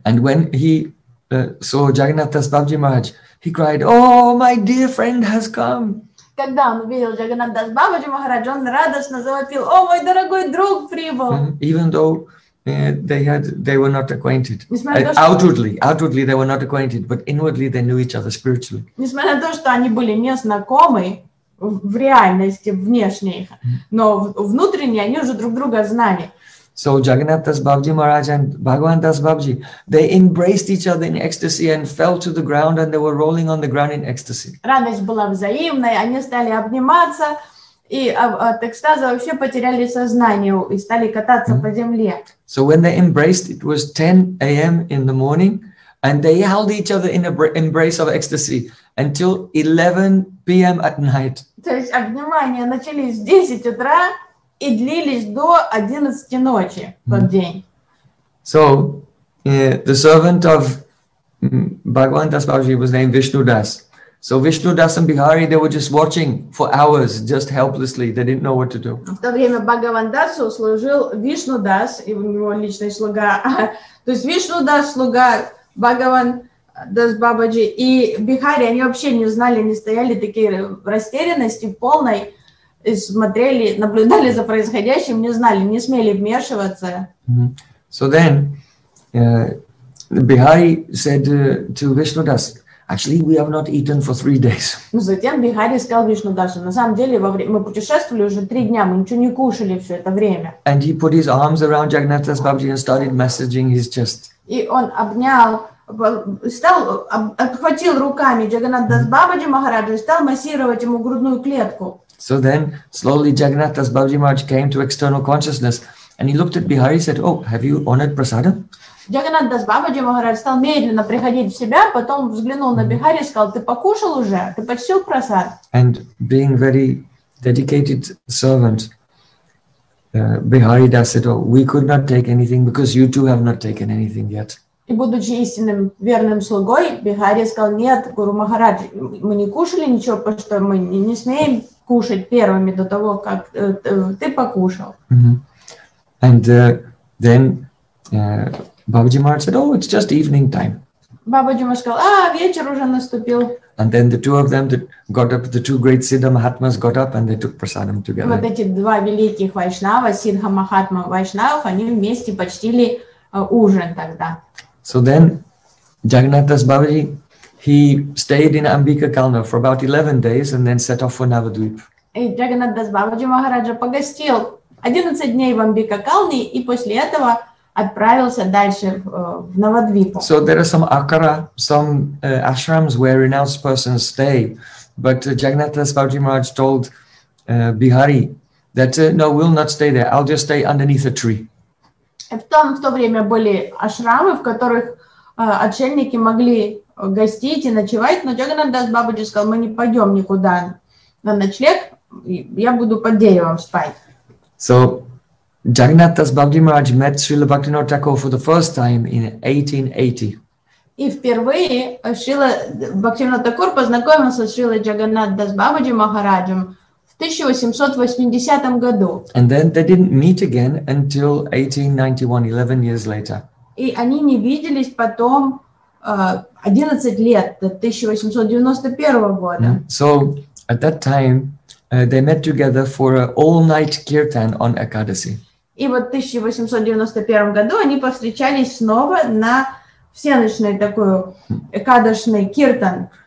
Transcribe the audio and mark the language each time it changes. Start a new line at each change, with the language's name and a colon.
English: And when he saw Jagannatha Babaji Maharaj, he cried, "Oh, my dear friend has come."
Russian: Когда он увидел Джагнатха Дас Бабаджи Махарадж, он радостно завопил: "О, мой дорогой друг прибыл!"
English: Even though they were not acquainted. Outwardly they were not acquainted, but inwardly they knew each other spiritually.
Russian: Несмотря на то, что они были не знакомы в реальности внешней, но внутренне они уже друг друга знали.
English: So Jagannath Das Babaji Maharaj and Bhagavan Das Babaji, they embraced each other in ecstasy and fell to the ground and they were rolling on the ground in ecstasy.
Russian: Радость была взаимной, они стали обниматься и от экстаза вообще потеряли сознание и стали кататься по земле.
English: So when they embraced, it was 10 a.m. in the morning and they held each other in an embrace of ecstasy until 11 p.m. at night.
Russian: То есть обнимания начались в 10 утра и длились до 11 ночи тот день.
English: So, the servant of Bhagavan Das Babaji was named Vishnu Das. So Vishnu Das and Bihari, they were just watching for hours, just helplessly. They didn't know what to do.
Russian: В то время Бхагаван Дасу служил Вишну Дас, и его личный слуга. То есть Вишну Дас, слуга Бхагаван Дас Бабаджи и Бихари, они вообще не знали, они стояли такие в растерянности полной, и смотрели, наблюдали за происходящим, не знали, не смели вмешиваться.
English: So then, Bihari said to Vishnu Das, "Actually, we have not eaten for 3 days."
Russian: Но затем Бихари сказал Вишну Дасу, на самом деле мы путешествовали уже 3 дня, мы ничего не кушали все это время.
English: And he put his arms around Jagannath Das Babaji and started massaging his chest.
Russian: И он обнял, стал обхватил руками Джагнат Дас Бабаджи Махараджа и стал массировать ему грудную клетку.
English: So then, slowly, Jagannath Das Babaji Maharaj came to external consciousness, and he looked at Bihari and said, "Oh, have you honored prasadam?"
Russian: Jagannath Das Babaji Maharaj стал медленно приходить в себя, потом взглянул на Бихари и сказал, "Ты покушал уже? Ты почтил прасад?"
English: And being very dedicated servant, Bihari Das said, "Oh, we could not take anything because you two have not taken anything yet."
Russian: И будучи истинным верным слугой, Бихари сказал, "Нет, Гуру Махарадж, мы не кушали ничего, потому что мы не смеем кушать первыми до того, как ты покушал."
English: And then Бабаджи Махарадж said, "Oh, it's just evening time."
Russian: Бабаджи сказал, "А, вечер уже наступил."
English: And then the two of them got up, the two great Siddha Mahatmas got up and they took prasadam together.
Russian: Вот эти два великих Вайшнава, Сиддха Махатма Вайшнав, они вместе почтили ужин тогда.
English: So then, Jagannath Das Babaji, he stayed in Амбикакална for about 11 days and then set off for Navadvip.
Russian: И Джагнат Дас Бабаджи Махараджа погостил 11 дней в Амбикакалне и после этого отправился дальше в Навадвипу.
English: So there are some akara, some ashrams where renounced persons stay, but Jagannath Das Babaji Maharaj told Bihari that no, we'll not stay there. I'll just stay underneath a tree.
Russian: В то время были ашрамы, в которых отшельники могли гостить и ночевать, но Джагнатх Дас Бабаджи сказал, мы не пойдем никуда на ночлег, я буду под деревом спать.
English: So, Джагнатх Дас Бабаджи Махарадж met Srila Bhaktivinoda Thakur for the first time in 1880.
Russian: И впервые Шрила Бхактивинода Такур познакомился с Шрилой Джагнатх Дас Бабаджи Махараджем в 1880 году.
English: And then they didn't meet again until 1891, 11 years later.
Russian: И они не виделись потом 11 лет, до 1891 года.
English: So at that time they met together for an all-night kirtan on Ekadasi.
Russian: И вот в 1891 году они повстречались снова на всеночный такой экадашный киртан.